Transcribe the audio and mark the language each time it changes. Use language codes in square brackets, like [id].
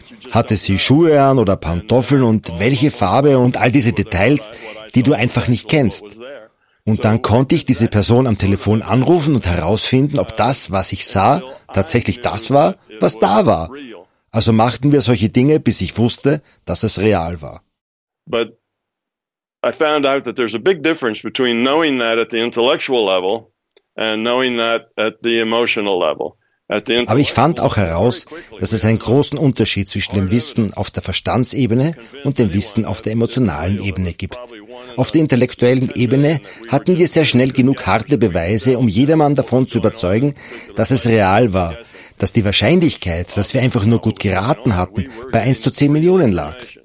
[de] Hatte sie Schuhe an oder Pantoffeln und welche Farbe und all diese Details, die du einfach nicht kennst. Und dann konnte ich diese Person am Telefon anrufen und herausfinden, ob das, was ich sah, tatsächlich das war, was da war. Also machten wir solche Dinge, bis ich wusste, dass es real war. [en] But I found out that there's a big difference between knowing that at the intellectual level and knowing that at the emotional level. [de] Aber ich fand auch heraus, dass es einen großen Unterschied zwischen dem Wissen auf der Verstandsebene und dem Wissen auf der emotionalen Ebene gibt. Auf der intellektuellen Ebene hatten wir sehr schnell genug harte Beweise, um jedermann davon zu überzeugen, dass es real war, dass die Wahrscheinlichkeit, dass wir einfach nur gut geraten hatten, bei 1 zu 10 Millionen lag.